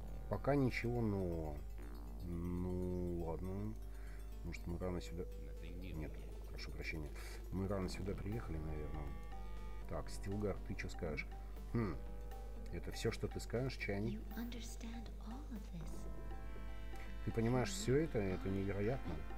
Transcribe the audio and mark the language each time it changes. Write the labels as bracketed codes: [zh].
[ru] Пока ничего нового. Ну, ладно. Может, мы рано сюда... Нет, прошу прощения. Мы рано сюда приехали, наверное. Так, Стилгар, ты что скажешь? Это все, что ты скажешь, Чани? [en] You understand all of this. [ru] Ты понимаешь, все это невероятно.